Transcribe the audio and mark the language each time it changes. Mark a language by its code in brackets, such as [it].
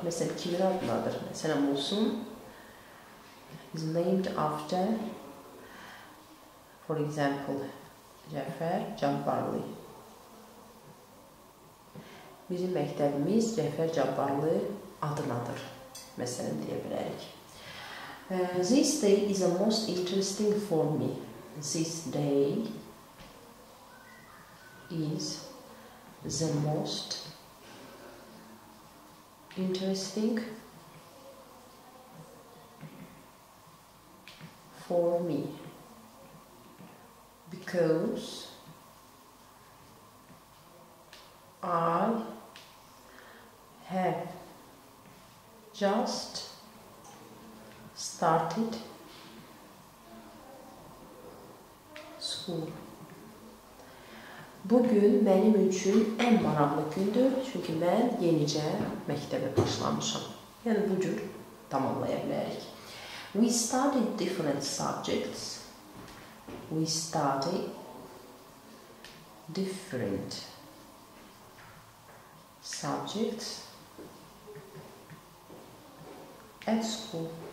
[az] Məsələn, kimin adınadır? Məsələn, olsun. [en] Is named after, for example, [az] Cəfər Cabbarlı. Bizim məktəbimiz Cəfər Cabbarlı adınadır. Məsələn, deyə bilərik. [en] This day is the most interesting for me. This day is the most interesting for me because I have just started school. [az] Bugün mənim üçün ən maraqlı gündür, çünki mən yenicə məktəbə başlamışam. Yəni, bu cür tamamlaya bilərik. [en] We study different subjects. We study different subjects at school.